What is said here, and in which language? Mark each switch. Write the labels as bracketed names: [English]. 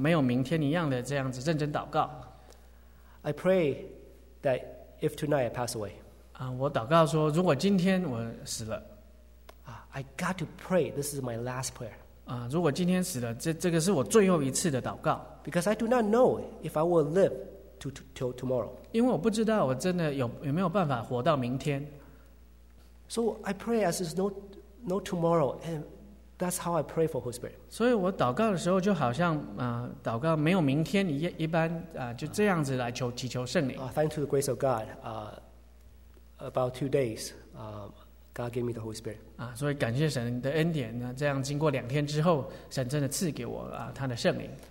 [Chinese] 我那时候祷告好像就是没有明天一样的这样子认真祷告。 [English] I pray that if tonight I pass away. [Chinese] 我祷告说，如果今天我死了。 [English] I got to pray. This is my last prayer. [Chinese] 如果今天死了，这个是我最后一次的祷告。 [English] Because I do not know if I will live till tomorrow. [Chinese] 因为我不知道我真的有没有办法活到明天。 [English] So I pray as there's no tomorrow, and that's how I pray for Holy Spirit. [Chinese] 所以我祷告的时候就好像祷告没有明天一般，就这样子来祈求圣灵。 [English] Thanks to the grace of God, about 2 days, God gave me the Holy Spirit. [Chinese] 所以感谢神的恩典，这样经过2天之后，神真的赐给我他的圣灵。